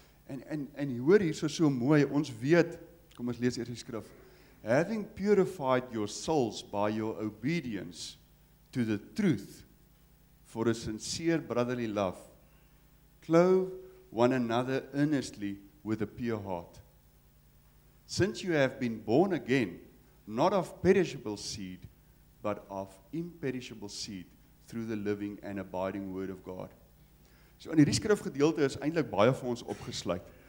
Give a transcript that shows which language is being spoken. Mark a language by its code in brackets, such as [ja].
[af] En jy hoor hier so mooi, ons weet, kom ons lees eers die skrif. [en] Having purified your souls by your obedience to the truth for a sincere brotherly love, clothe one another earnestly with a pure heart. Since you have been born again, not of perishable seed, but of imperishable seed through the living and abiding word of God. [af] So in hierdie skrifgedeelte is eintlik baie vir ons opgesluit.